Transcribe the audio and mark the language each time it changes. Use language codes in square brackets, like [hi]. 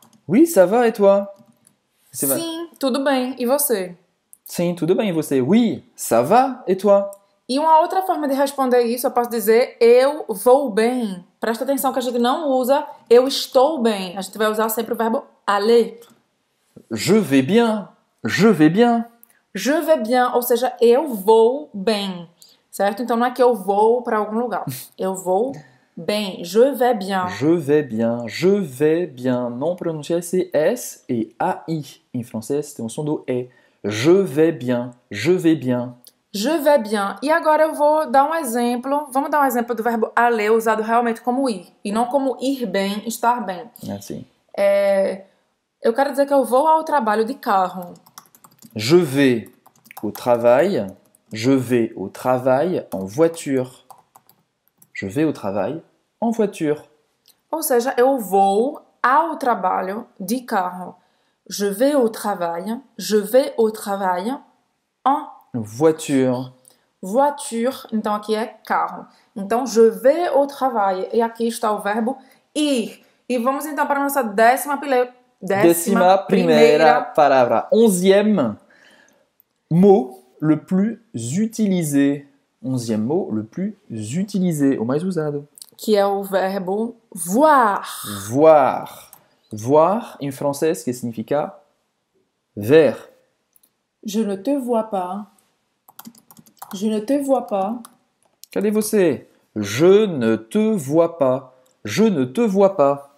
[fr] Oui, ça va, et toi? [pt] Sim, tudo bem, e você? Sim, tudo bem, e você? [fr] Oui, ça va, et toi? [pt] E uma outra forma de responder isso, eu posso dizer, eu vou bem. Presta atenção que a gente não usa, eu estou bem. A gente vai usar sempre o verbo aller. [fr] Je vais bien, je vais bien. Je vais bien, [pt] ou seja, eu vou bem, certo? Então não é que eu vou para algum lugar, eu vou bem, [fr] je vais bien. Je vais bien, je vais bien. Non prononcé, c'est S et AI. [pt] Em francês, tem um som do E. [fr] Je vais bien, je vais bien. Je vais bien. [pt] E agora eu vou dar um exemplo. Vamos dar um exemplo do verbo aller, usado realmente como ir. E não como ir bem, estar bem. Assim. É, eu quero dizer que eu vou ao trabalho de carro. [fr] Je vais au travail. Je vais au travail en voiture. Je vais au travail en voiture. [pt] Ou seja, eu vou ao trabalho de carro. [fr] Je vais au travail. Je vais au travail en voiture. [pt] Voiture. Então aqui é carro. Então [fr] je vais au travail. [pt] E aqui está o verbo ir. E vamos então para a nossa décima primeira palavra. [fr] Onzième mot le plus utilisé. Onzième mot le plus utilisé, [pt] o mais usado. Que é o verbo voir. [fr] Voir. [pt] Voir em francês, que significa ver. [fr] Je ne te vois pas. Je ne te vois pas. [pt] Cadê você? [fr] Je ne te vois pas. Je ne te vois pas.